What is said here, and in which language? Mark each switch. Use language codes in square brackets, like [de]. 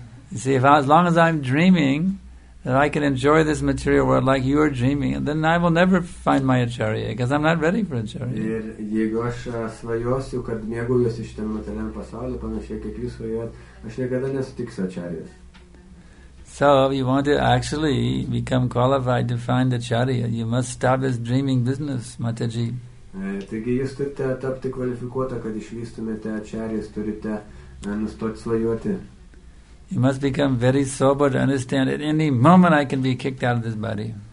[en] You see, as long as I'm dreaming that I can enjoy this material world like you are dreaming, then I will never find my acharya, because I'm not ready for acharya. [lt] Ir jeigu aš svajosiu, kad mėgaujuosi šitam materialiam pasauliu, panašiai kaip jūs svajot, aš niekada nesutiksiu acharyas. [en] So you want to actually become qualified to find acharya, you must stop this dreaming business, Mataji. [lt] Taigi jūs turite tapti kvalifikuota, kad išvystumėte acharyas, turite nustoti svajoti. [en] You must become very sober to understand at any moment I can be kicked out of this body.